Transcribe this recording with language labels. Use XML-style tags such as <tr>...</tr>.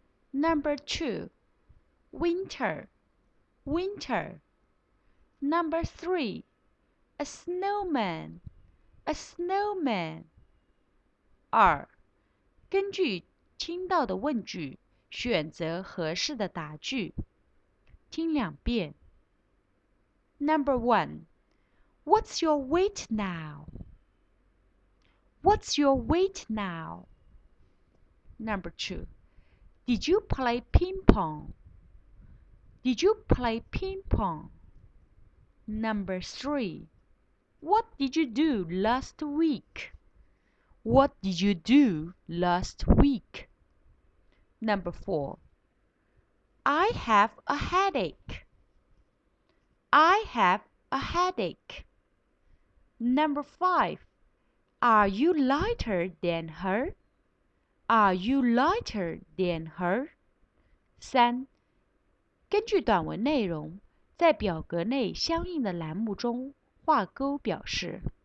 <en>Number two, winter, winter. Number three, a snowman, a snowman.</en> <zh>二，根据听到的问句，选择合适的答句，听两遍。</zh> <en>Number one, What's your weight now? What's your weight now? Number two, Did you play ping pong? Did you play ping pong? Number three, What did you do last week? What did you do last week? Number four. I have a headache. I have a headache. Number five. Are you lighter than her? Are you lighter than her?</en> <zh>三，根据短文内容，在表格内相应的栏目中画勾表示。</zh>